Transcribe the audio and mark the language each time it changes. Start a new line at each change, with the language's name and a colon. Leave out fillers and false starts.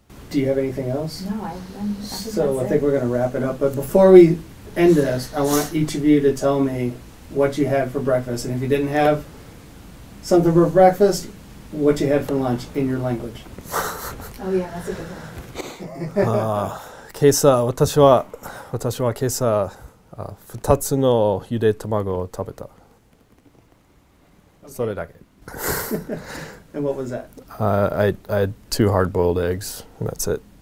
English: Do you have anything else? No, I think we're going to wrap it up. But before we end this, I want each of you to tell me what you had for breakfast. And if you didn't have something for breakfast, what you had for lunch in your language. Oh, yeah, that's a good one.
Japanese: 今朝、私は、私は今朝、二つのゆで卵を食べた。それだけ。
English: And what was that? I had two hard-boiled eggs, and that's it.